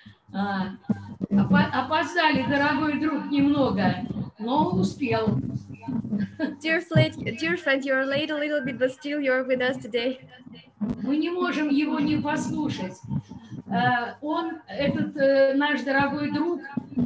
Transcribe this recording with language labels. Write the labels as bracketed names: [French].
[Russian] Опоздали, дорогой друг, немного, но успел. [English] Dear friend, you're late a little bit, but still you're with us today. [Russian] Мы не можем его не послушать. Он, этот наш дорогой друг,